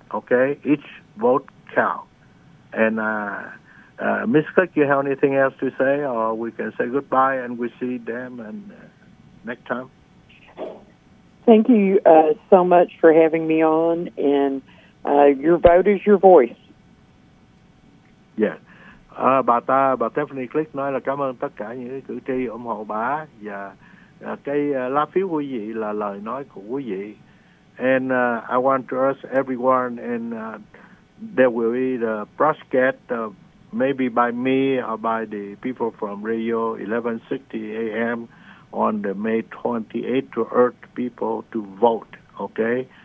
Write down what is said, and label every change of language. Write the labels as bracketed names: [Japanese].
[English] Okay, each vote count. And Miss Click, you have anything else to say, or we can say goodbye and we see them and next time. Thank you so much for having me on. And your vote is your voice. [Vietnamese] Yeah, bà Stephanie Click nói là cảm ơn tất cả những cử tri ủng hộ bà và. Cái lá phiếu quý vị là lời nói của quý vị. [English] And I want to ask everyone, and there will be the broadcast maybe by me or by the people from radio 1160 AM on the May 28th to urge people to vote, okay?